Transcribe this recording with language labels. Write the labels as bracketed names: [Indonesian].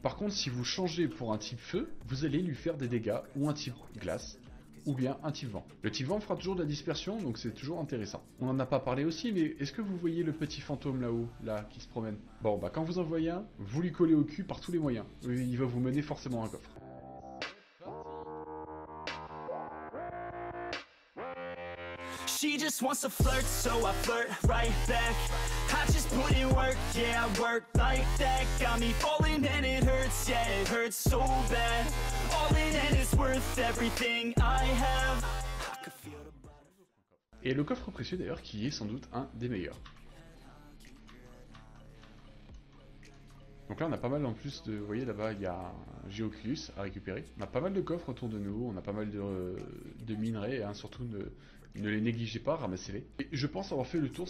[French] Par contre, si vous changez pour un type feu, vous allez lui faire des dégâts, ou un type glace, ou bien un type vent. Le type vent fera toujours de la dispersion, donc c'est toujours intéressant. On en a pas parlé aussi, mais est-ce que vous voyez le petit fantôme là-haut, là, qui se promène? Bon, bah quand vous en voyez un, vous lui collez au cul par tous les moyens. Il va vous mener forcément à un coffre. [English] She just wants to flirt, so I flirt right back. I just put in work, yeah, I work like that. Got me falling and it hurts, yeah, it hurts so bad. All in and it's worth everything I have. [French] Et le coffre précieux d'ailleurs qui est sans doute un des meilleurs. Donc là, on a pas mal en plus de... Vous voyez, là-bas, il y a un Geoculus à récupérer. On a pas mal de coffres autour de nous. On a pas mal de minerais. Hein, surtout, ne les négligez pas, ramassez-les. Et je pense avoir fait le tour.